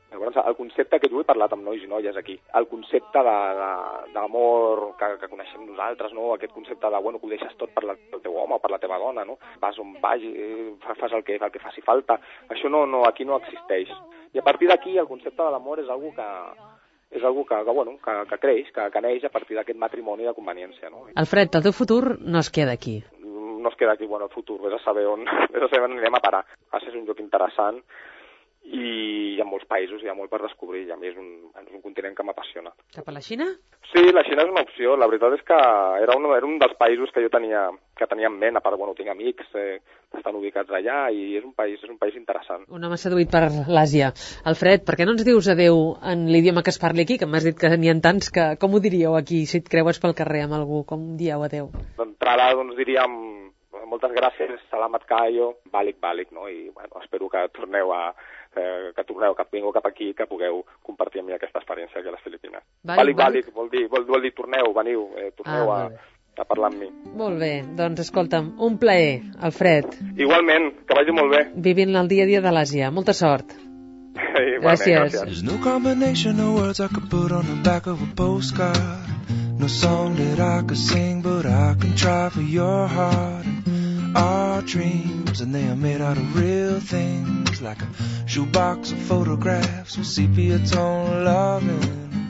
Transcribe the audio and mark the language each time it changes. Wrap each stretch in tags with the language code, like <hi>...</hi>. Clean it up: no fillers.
<ca>Llavors, el concepte que tu he parlat amb nois i noies aquí, el concepte d'amor que coneixem nosaltres, no? Aquest concepte de, bueno, que ho deixes tot per el teu home o per la teva dona, no? Vas on vagi, fas el que faci falta, això no, aquí no existeix. I a partir d'aquí el concepte de l'amor és algo que és algo que, bueno, que creix, que neix a partir d'aquest matrimoni de conveniència, no? Alfred, el teu futur no es queda aquí. No es queda aquí, bueno, el futur, vés a saber on anirem a parar. Ara és un lloc interessant i hi ha molts països, hi ha molt per descobrir, i a mi és un continent que m'apassiona. Cap a la Xina? Sí, la Xina és una opció. La veritat és que era un dels països que jo tenia en ment, a part, bueno, tinc amics que estan ubicats allà, i és un país interessant. Un home seduït per l'Àsia. Alfred, per què no ens dius adéu en l'idioma que es parli aquí, que m'has dit que n'hi ha tants, que com ho diríeu aquí si et creues pel carrer amb algú? Com dieu adéu? D'entrada, doncs, diríem moltes gràcies,</ca> <tl>salamat kayo, balik balik,</tl> <ca>no? I, bueno, espero que torneu, que vingueu cap aquí, que pugueu compartir amb mi aquesta experiència aquí a les Filipines. Balik, vol dir torneu, veniu, torneu a parlar amb mi. Molt bé, doncs escolta'm, un plaer, Alfred. Igualment, que vagi molt bé. Vivint el dia a dia de l'Àsia, molta sort. Gràcies.</ca> <en>There's no combination of words I could put on the back of a postcard. No song that I could sing, but I can try for your heart. Our dreams, and they are made out of real things, like a shoebox of photographs with sepia tone loving.</en>